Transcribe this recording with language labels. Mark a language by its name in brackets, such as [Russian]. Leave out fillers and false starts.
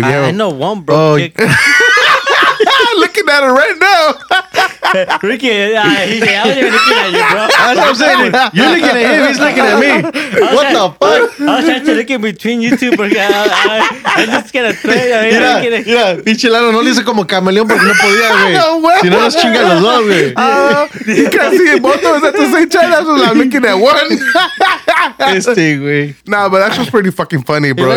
[English] I know one broke chick. Looking at it right now. Ricky, he's like, I wasn't even looking at you, bro. That's what I'm saying. You're looking at him, he's looking at me. What the fuck? I was trying to look in between you two, [Spanish] porque [English] I'm just gonna throw you. [Spanish] Mira, mira, pinche Lalo no le hice como camaleón porque no podía, güey. Si no, nos chingan los dos, güey. [English] You can't see both of us at the same time. That's what I'm looking at one. [Spanish] Este, güey. [English] Nah, but that show's pretty fucking funny, bro.